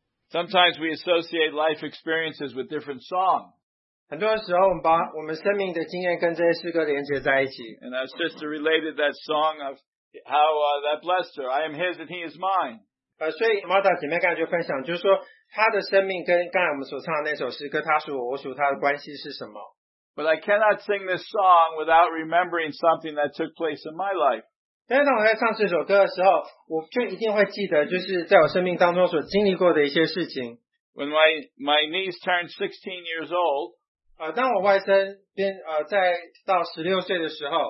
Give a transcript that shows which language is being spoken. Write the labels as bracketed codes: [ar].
[en] Sometimes we associate life experiences with different songs. [zh] 很多时候我们把我们生命的经验跟这些诗歌连接在一起。 [en] And our sister related that song of how that blessed her. I am his and he is mine. [zh] 所以Martha姐妹刚才就分享，就是说她的生命跟刚才我们所唱的那首诗歌，她属我，我属她的关系是什么？ [en] But I cannot sing this song without remembering something that took place in my life. [zh] 但是当我在唱这首歌的时候，我就一定会记得，就是在我生命当中所经历过的一些事情。 [en] When my niece turned 16 years old, [zh] 当我外甥在到16岁的时候,